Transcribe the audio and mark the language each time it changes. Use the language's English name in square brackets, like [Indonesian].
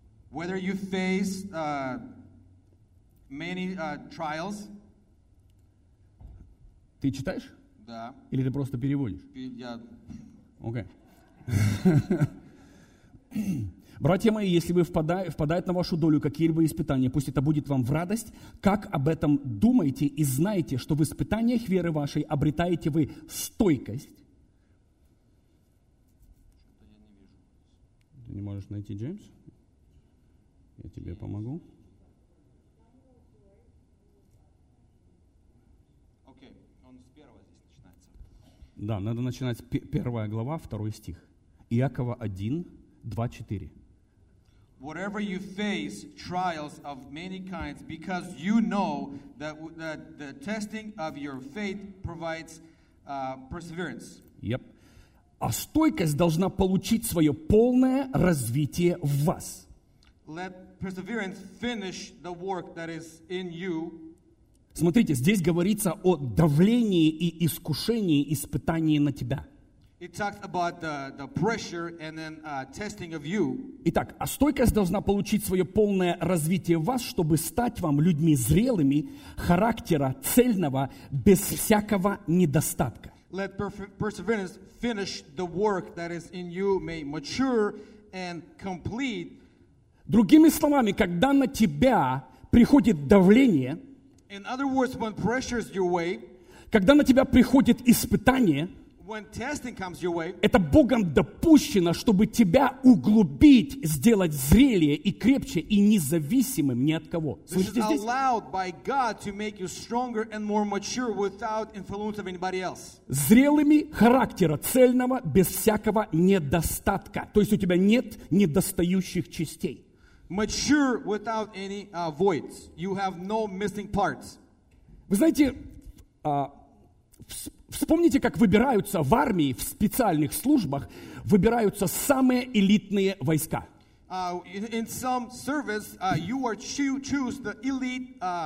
[English] Whether you face many trials. [Russian] Ты читаешь? Да. Или ты просто переводишь? Я... Окей. Братья мои, если вы впадает на вашу долю какие-либо испытания, пусть это будет вам в радость. Как об этом думаете и знаете, что в испытаниях веры вашей обретаете вы стойкость? Что-то я не вижу. Ты не можешь найти, Джеймс? Я тебе помогу. Окей, он с первого здесь начинается. Да, надо начинать с первая глава, второй стих. Иакова 1, 2, 4. [English] Whatever you face trials of many kinds, because you know that, that the testing of your faith provides perseverance. Yep. [Russian] А стойкость должна получить свое полное развитие в вас. [English] Let perseverance finish the work that is in you. [Russian] Смотрите, здесь говорится о давлении и искушении, испытании на тебя. [English] It talks about the pressure and then testing of you. [Russian] Итак, а стойкость должна получить свое полное развитие в вас, чтобы стать вам людьми зрелыми, характера цельного, без всякого недостатка. [English] Let perseverance finish the work that is in you, may mature and complete. [Russian] Другими словами, когда на тебя приходит давление, [English] in other words, when pressure is your way, [Russian] когда на тебя приходит испытание, [English] when testing comes your way, [Russian] это Богом допущено, чтобы тебя углубить, сделать зрелее и крепче и независимым ни от кого. Слышите [English] this is [Russian] здесь? [English] Allowed by God to make you stronger and more mature without influence of anybody else. [Russian] Зрелыми характера, цельного, без всякого недостатка. То есть у тебя нет недостающих частей. [English] Mature without any voids. You have no missing parts. [Russian] Вы знаете, вспомните, как выбираются в армии, в специальных службах, выбираются самые элитные войска. [English] In some service, you are choose the elite